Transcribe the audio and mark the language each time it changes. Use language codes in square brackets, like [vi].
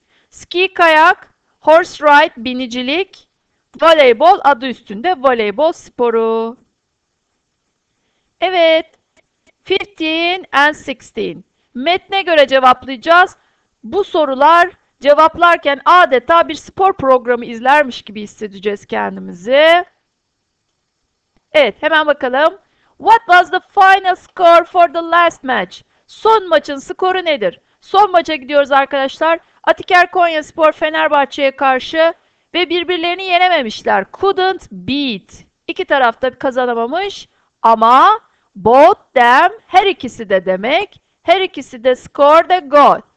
[tr] Ski kayak, horse ride binicilik, voleybol adı üstünde voleybol sporu. Evet. 15 and 16. Metne göre cevaplayacağız. Bu sorular cevaplarken adeta bir spor programı izlermiş gibi hissedeceğiz kendimizi. Evet, hemen bakalım. [en] What was the final score for the last match? [tr] Son maçın skoru nedir? Son maça gidiyoruz arkadaşlar. Atiker Konyaspor Fenerbahçe'ye karşı ve birbirlerini yenememişler. [en] Couldn't beat. [tr] İki taraf da kazanamamış ama Both them, her ikisi de demek. Her ikisi de [en] score the goal.